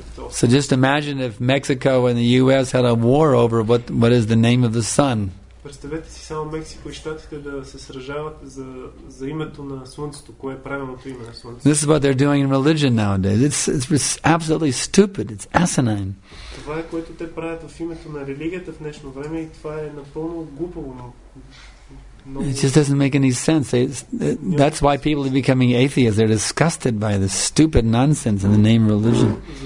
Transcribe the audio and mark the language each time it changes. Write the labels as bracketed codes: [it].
[en] So just imagine if Mexico and the U.S. had a war over what is the name of the sun. [bg] Представете си само Мексико и Штатите да се сражават за името на Слънцето, кое е правилното име на Слънцето. [en] This is what they're doing in religion nowadays. It's absolutely stupid. It's asinine. [bg] Това е което те правят в името на религията в днешно време и това е напълно глупаво. [en] It just doesn't make any sense. That's why people are becoming atheists. They're disgusted by the stupid nonsense in the name of religion.